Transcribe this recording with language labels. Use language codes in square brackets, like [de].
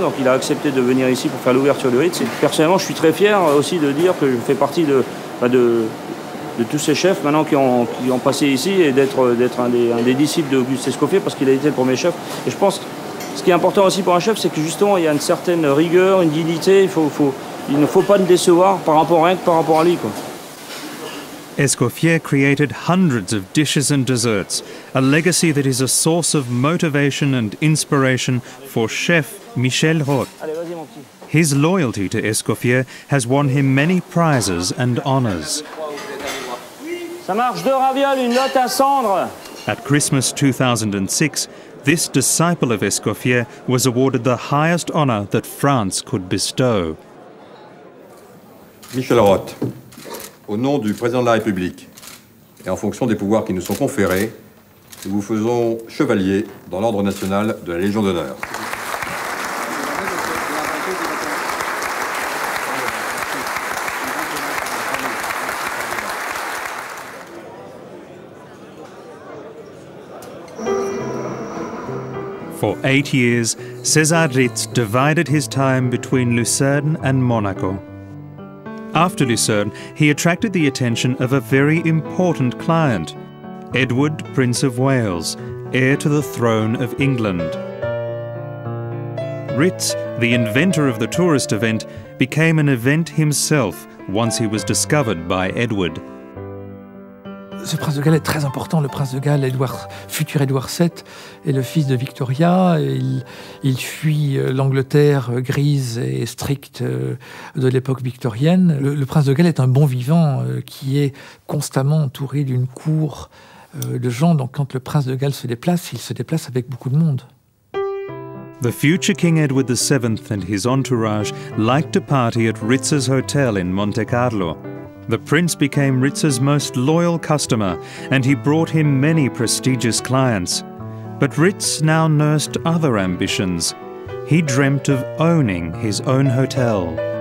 [fr] Donc il a accepté de venir ici pour faire l'ouverture du Ritz. Et personnellement, je suis très fier aussi de dire que je fais partie de tous ces chefs maintenant qui ont passé ici et d'être un des disciples d'Auguste Escoffier parce qu'il a été le premier chef. Et je pense que ce qui est important aussi pour un chef, c'est que justement, il y a une certaine rigueur, une dignité. Il ne faut pas le décevoir par rapport à lui, quoi. [en] Escoffier created hundreds of dishes and desserts, a legacy that is a source of motivation and inspiration for chef Michel Hort. His loyalty to Escoffier has won him many prizes and honors. [fr] Ça marche, deux ravioles, une lotte à cendre. [en] At Christmas 2006, this disciple of Escoffier was awarded the highest honor that France could bestow. [fr] Michel Hort. Au nom du président de la République et en fonction des pouvoirs qui nous sont conférés, nous vous faisons chevalier dans l'ordre national de la Légion d'honneur. [en] For 8 years, César Ritz divided his time between Lucerne and Monaco. After Lucerne, he attracted the attention of a very important client, Edward, Prince of Wales, heir to the throne of England. Ritz, the inventor of the tourist event, became an event himself once he was discovered by Edward. [fr] Ce prince de Galles est très important, le prince de Galles, futur Édouard VII, est le fils de Victoria. Il fuit l'Angleterre grise et stricte de l'époque victorienne. Le prince de Galles est un bon vivant qui est constamment entouré d'une cour de gens. Donc quand le prince de Galles se déplace, il se déplace avec beaucoup de monde. [en] The future King Edward VII and his entourage liked to party at Ritz's hotel in Monte Carlo. The prince became Ritz's most loyal customer, and he brought him many prestigious clients. But Ritz now nursed other ambitions. He dreamt of owning his own hotel.